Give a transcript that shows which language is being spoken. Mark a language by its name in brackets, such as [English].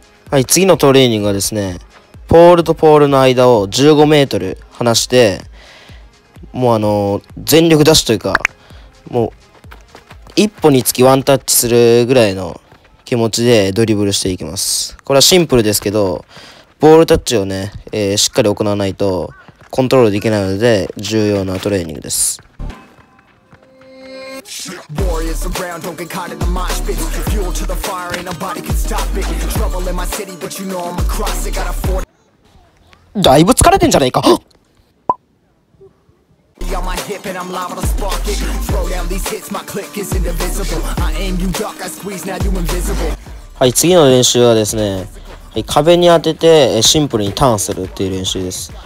[Japanese] はい、次のトレーニングはですね、ポールとポールの間を15メートル離して、もう全力出しというか、もう、一歩につきワンタッチするぐらいの、気持ちでドリブルしていきます。これはシンプルですけど、ボールタッチをね、しっかり行わないとコントロールできないので重要なトレーニングです。 [English] Warriors around, don't get caught in the mosh pit. Fuel to the fire, ain't nobody can stop it. Trouble in my city, but you know I'm across it. Got a four. [Japanese] だいぶ疲れてんじゃねえか。はい、次の練習はですね、壁に当ててシンプルにターンするっていう練習です。